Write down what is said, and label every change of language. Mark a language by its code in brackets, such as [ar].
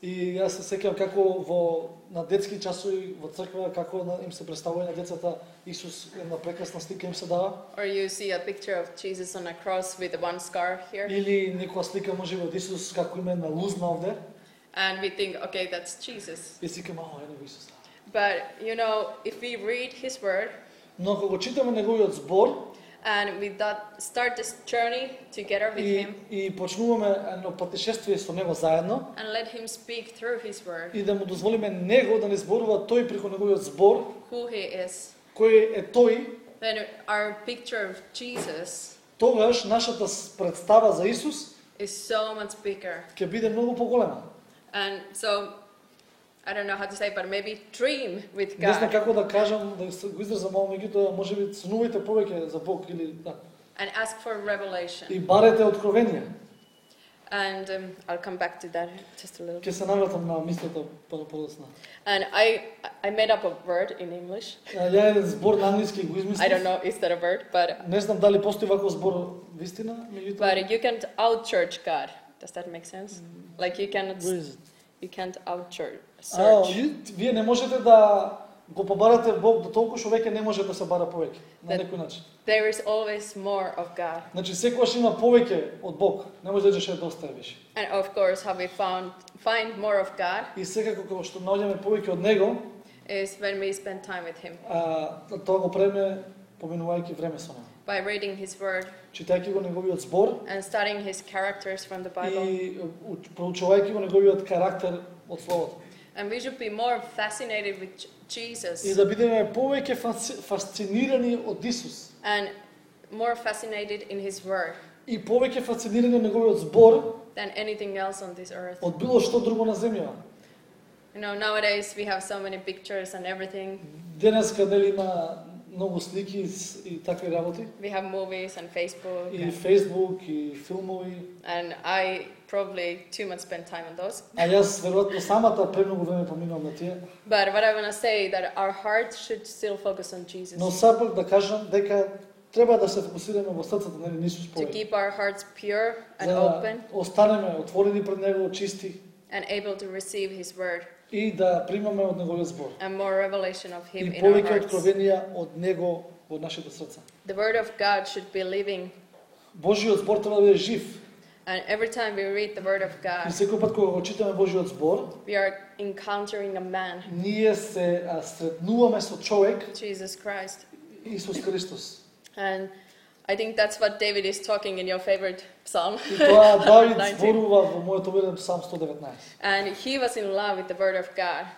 [mk] И јас се сеќавам како во на детски часови во црква како им се претставува на децата Исус на прекрасна слика им се дава. [en] Or you see a picture of Jesus on a cross with one scar here. [mk] Или некоја слика може во Исус како има една лузна овде. [en] And we think, okay, that's Jesus. [mk] Исиќе мало е на Исус. [en] But you know, if we read His word, [mk] но кога го читаме неговиот збор, [en] and we start this journey together with Him, [mk] и почнуваме едно патешествие со него заедно, [en] and let Him speak through His word, [mk] и да му дозволиме него да ни зборува тој преку неговиот збор, [en] who He is, [mk] кој е тој, [en] then our picture of Jesus, [mk] тогаш нашата представа за Исус, [en] is so much bigger, [mk] ќе биде многу поголема. [en] And so, I don't know how to say, but maybe dream with God. [mk] Не знам како да кажам, да го изразам малку меѓутоа, може би снувајте повеќе за Бог или да. [en] And ask for revelation. [mk] И барете откровение. [en] And I'll come back to that just a little bit. [mk] Ќе се навратам на мислата подоцна. [en] And I made up a word in English. [mk] Ја еден збор на англиски го измислив. [en] I don't know, is that a word, but... [mk] Не знам дали постои вакво збор вистина, меѓутоа... [en] But you can't out-church God. Does that make sense? Like you cannot, you can't out-church. [mk] Вие не можете да го побарате Бог до толку што веќе не може да се бара повеќе на некој начин. [en] There is always more of God. [mk] Значи секогаш има повеќе од Бог. Не може да кажеш дека доста е веќе. [en] And of course, how we find more of God? [mk] И секако кога што наоѓаме повеќе од него, [en] is when we spend time with Him. [mk] Тоа го преме поминувајќи време со него. [en] By reading His word. [mk] Читајќи го неговиот збор. [en] And studying His characters from the Bible. [mk] И проучувајќи го неговиот карактер од Словото. [en] And we should be more fascinated with Jesus. [mk] И да бидеме повеќе фасцинирани од Исус. [en] And more fascinated in His word. [mk] И повеќе фасцинирани од неговиот збор. [en] Than anything else on this earth. [mk] Од било што друго на земјава. [en] You know, nowadays we have so many pictures and everything. [mk] Денеска дали има многу слики и такви работи. [en] We have movies and Facebook. [mk] И Facebook и филмови. [en] And I probably too much spend time on those. [mk] А јас веројатно самата премногу време поминувам на тие. [en] But what I want to say that our hearts should still focus on Jesus. [mk] Но сакам да кажам дека треба да се фокусираме во срцето на Исус повеќе. [en] To keep our hearts pure and open. [mk] Останеме отворени пред него, чисти. [en] And able to receive His word. [mk] И да примаме од неговиот збор. [en] And more revelation of Him in our [mk] hearts. И повеќе откровенија од него во нашето срце. [en] The word of God should be living. [mk] Божјиот збор треба да е жив. [en] And every time we read the word of God. [mk] И секој пат кога го читаме Божјиот збор, [en] we are encountering a man. [mk] Ние се сретнуваме со човек. [en] Jesus Christ. [mk] Исус Христос. [en] And I think that's what David is talking in your favorite psalm. [mk] Тоа Давид зборува во мојот омилен псалм 119. [en] And he was in love with the word of God.